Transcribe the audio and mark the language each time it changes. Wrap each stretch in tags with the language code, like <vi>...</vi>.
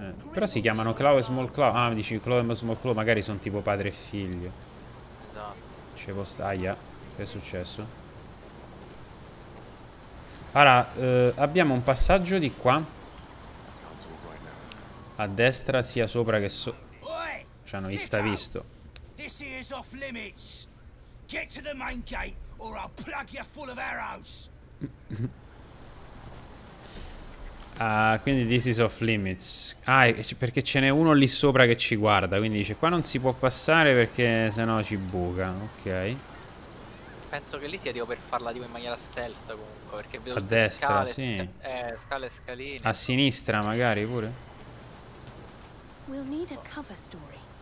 <it>Però si chiamano Clau e Small Clau. Ah, mi dici Clau e Small Clau. Magari sono tipo padre e figlio. Esatto. C'è posta. Aia. Che è successo? Allora, abbiamo un passaggio di qua. A destra sia sopra che sotto. Ci hanno vista visto.</it> <en>This is off limits. Get to the main gate or I'll plug you full of arrows.</en> <it>quindi</it> <en>this is off limits.</en> <it>Ah, perché ce n'è uno lì sopra che ci guarda, quindi dice qua non si può passare perché sennò ci buca. Ok. Penso che lì sia tipo per farla tipo in maniera stealth comunque, perché vedo a destra, scale, sì. Scale e scaline. A sinistra magari pure.</it> <en>We'll need a cover story.</en>